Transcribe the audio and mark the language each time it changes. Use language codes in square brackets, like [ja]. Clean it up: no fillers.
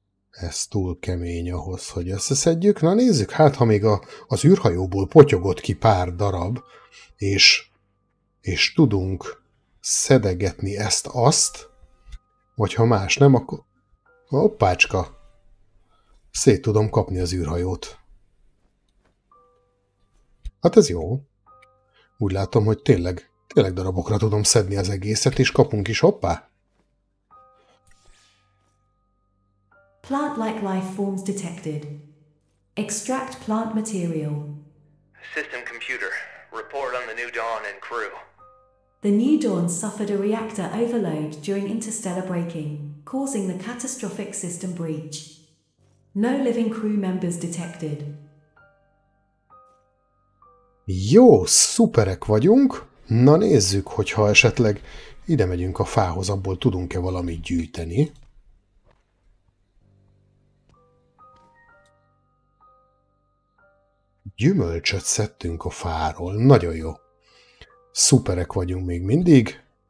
[hu] Ez túl kemény ahhoz, hogy összeszedjük. Na nézzük, hát ha még az űrhajóból potyogott ki pár darab, és tudunk szedegetni ezt-azt, vagy ha más nem, akkor... Hoppácska! Szét tudom kapni az űrhajót. Hát ez jó. Úgy látom, hogy tényleg darabokra tudom szedni az egészet, és kapunk is, hoppá! [en] Plant-like life forms detected. Extract plant material. System computer, report on the New Dawn and crew. The New Dawn suffered a reactor overload during interstellar braking, causing the catastrophic system breach. No living crew members detected. [hu] Jó, szuperek vagyunk. Na nézzük, hogyha esetleg ide megyünk a fához, abból tudunk-e valamit gyűjteni. Gyümölcsöt szedtünk a fáról. Nagyon jó. Szuperek vagyunk még mindig.